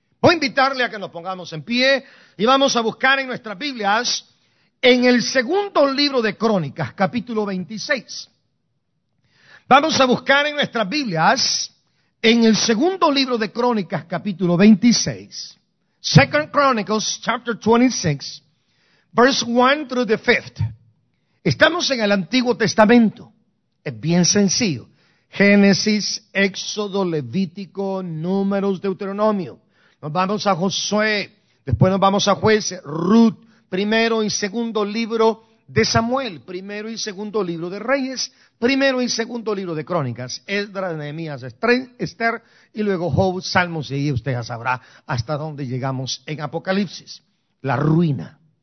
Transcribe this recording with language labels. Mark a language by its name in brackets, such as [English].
[Spanish] Voy a invitarle a que nos pongamos en pie y vamos a buscar en nuestras Biblias, en el segundo libro de Crónicas, capítulo 26. Vamos a buscar en nuestras Biblias, en el segundo libro de Crónicas, capítulo 26. [English] Second Chronicles, chapter 26, verse 1 through the 5th. [Spanish] Estamos en el Antiguo Testamento, es bien sencillo, Génesis, Éxodo, Levítico, Números, Deuteronomio. Nos vamos a Josué, después nos vamos a Jueces, Ruth, primero y segundo libro de Samuel, primero y segundo libro de Reyes, primero y segundo libro de Crónicas, Esdras, Nehemías, Esther, y luego Job, Salmos, y usted ya sabrá hasta dónde llegamos en Apocalipsis, la ruina.